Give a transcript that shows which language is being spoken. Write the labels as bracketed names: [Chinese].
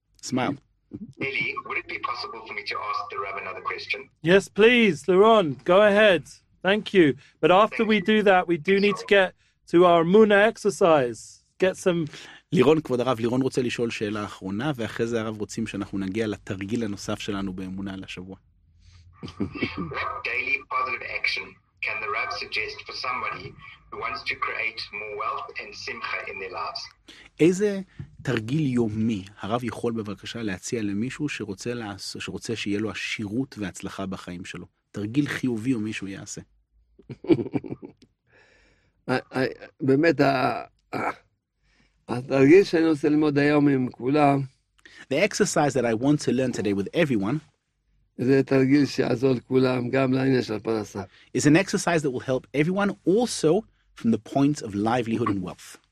[English] Smile. Eli, would it be possible for me to ask the Rav another question? Yes, please, Liron, go ahead. Thank you. But after we do that, we do need to get to our Muna exercise. Get some... [Hebrew] לירון, כבוד הרב, לירון רוצה לשאול שאלה אחרונה, ואחרי זה הרב רוצים שאנחנו נגיע לתרגיל הנוסף שלנו באמונה לשבוע. [English] What daily positive action can the Rav suggest for somebody who wants to create more wealth and simcha in their lives? [Hebrew] איזה תרגיל יומי הרב יכול בבקשה להציע למישהו שרוצה שיהיה לו עשירות והצלחה בחיים שלו? תרגיל חיובי או מישהו יעשה. באמת, התרגיל שאני רוצה ללמוד היום עם כולם. [English] The exercise that I want to learn today with everyone is an exercise that will help everyone also from the point of livelihood and wealth.